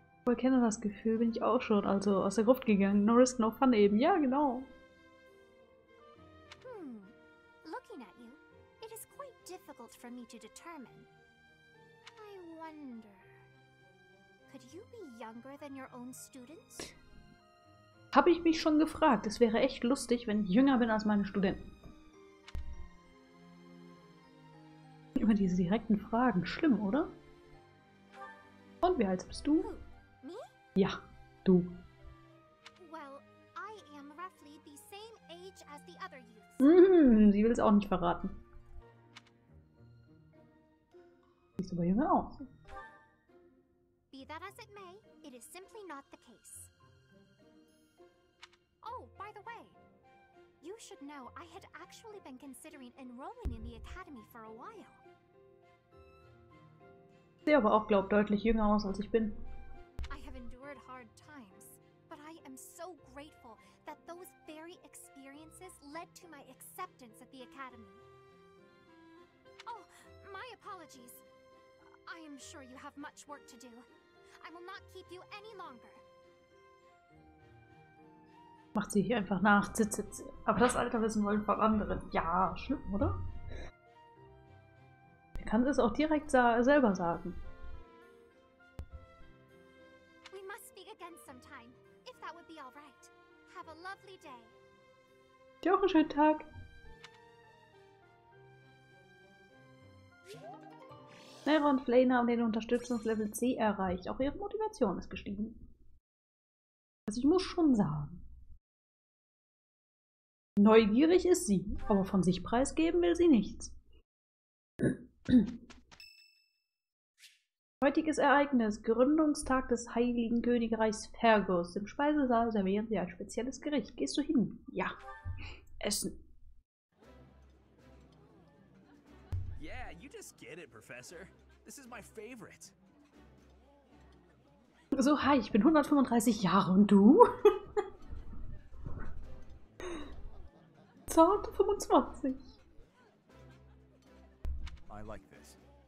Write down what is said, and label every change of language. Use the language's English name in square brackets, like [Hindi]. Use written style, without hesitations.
[German] Ich kenne das Gefühl, bin ich auch schon, also aus der Gruft gegangen. [English] No risk, no fun [German] eben. Ja, genau. [English] Looking at you, it is quite difficult for me to determine. I wonder, could you be younger than your own students? [German] Habe ich mich schon gefragt. Es wäre echt lustig, wenn ich jünger bin als meine Studenten. Immer diese direkten Fragen. Schlimm, oder? Und wie alt bist du? [English] Me? [German] Ja, du. [English] Well, I am roughly the same age as the other youths. [German] Sie will es auch nicht verraten. Siehst aber jünger aus. [English] Be that as it may, it is simply not the case. Oh, by the way, you should know I had actually been considering enrolling in the academy for a while. [German] Ich sehe aber auch, glaube ich, deutlich jünger aus, als ich bin. [English] I have endured hard times, but I am so grateful that those very experiences led to my acceptance at the academy. Oh, my apologies. I am sure you have much work to do. I will not keep you any longer. [German] Macht sie hier einfach nach. Aber das Alter wissen wollen von anderen. Ja, schlimm, oder? Ich kann es auch direkt selber sagen. [English] We must speak again sometime, if that would be all right. Have a lovely day. [German] Dir auch einen schönen Tag. Nera und Flayna haben den Unterstützungslevel C erreicht. Auch ihre Motivation ist gestiegen. Also ich muss schon sagen. Neugierig ist sie, aber von sich preisgeben will sie nichts. Heutiges Ereignis, Gründungstag des Heiligen Königreichs Fergus. Im Speisesaal servieren sie ein spezielles Gericht. Gehst du hin? Ja. Essen. [English] Yeah, you just get it, Professor. This is my favorite. [German] So, hi, ich bin 135 Jahre und du? Zarte 25. [English] I like this.